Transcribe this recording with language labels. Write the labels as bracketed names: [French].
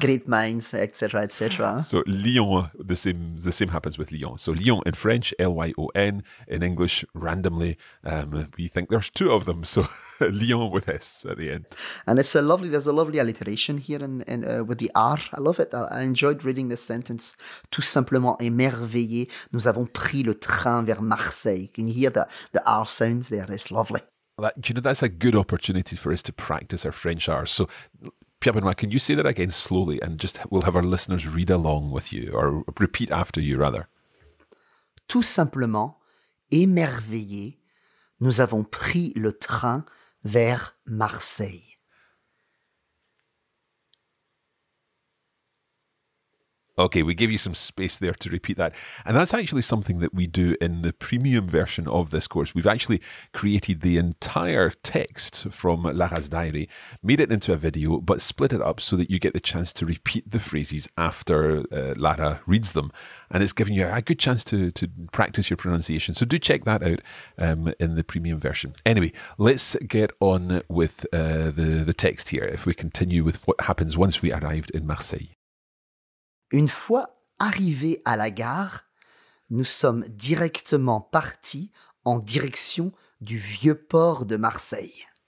[English] Great minds, et cetera, et cetera. So Lyon, the same happens with Lyon. So Lyon in French, L-Y-O-N, in English, randomly, we think there's two of them. So Lyon with S at the end. And it's a lovely, there's a lovely alliteration here in with the R. I love it. I enjoyed reading this sentence. [French] Tout simplement émerveillé, nous avons pris le train vers Marseille. [English] Can you hear the R sounds there? It's lovely. That, you know, that's a good opportunity for us to practice our French R. So, Pierre Benoit, can you say that again slowly and just we'll have our listeners read along with you or repeat after you, rather. [French] Tout simplement, émerveillé, nous avons pris le train vers Marseille. [English] Okay, we gave you some space there to repeat that. And that's actually something that we do in the premium version of this course. We've actually created the entire text from Lara's diary, made it into a video, but split it up so that you get the chance to repeat the phrases after Lara reads them. And it's giving you a good chance to practice your pronunciation. So do check that out in the premium version. Anyway, let's get on with the text here. If we continue with what happens once we arrived in Marseille. [French] Une fois arrivés à la gare, nous sommes directement partis en direction du vieux port de Marseille.